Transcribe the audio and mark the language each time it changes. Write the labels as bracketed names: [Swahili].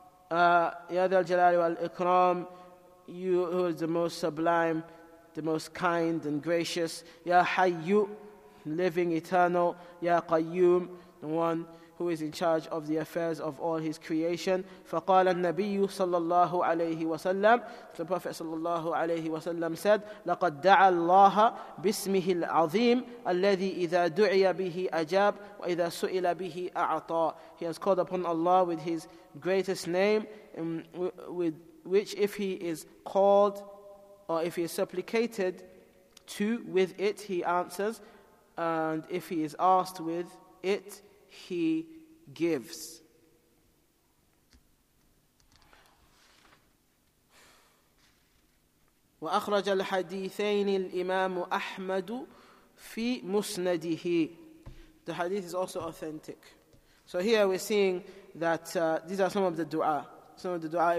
[English] Ya dhal jalali wal ikram, you who is the most sublime, the most kind and gracious, ya hayyu, living eternal, ya qayyum, the one who is in charge of the affairs of all his creation. [Arabic] فَقَالَ النَّبِيُّ صَلَّى اللَّهُ عَلَيْهِ وَسَلَّمُ. [English] The Prophet صلى الله عليه وسلم said, [Arabic] لَقَدْ دَعَى اللَّهَ بِاسْمِهِ الْعَظِيمِ الَّذِي إِذَا دُعِيَ بِهِ أَجَابُ وَإِذَا سُئِلَ بِهِ أَعْطَاءُ. [English] He has called upon Allah with his greatest name, with which if he is called, or if he is supplicated to, with it he answers, and if he is asked with it, he gives. [Arabic] وأخرج الحديثين الإمام أحمد في مسنده. [English] The hadith is also authentic. So here we're seeing that these are some of the du'a. Some of the du'a.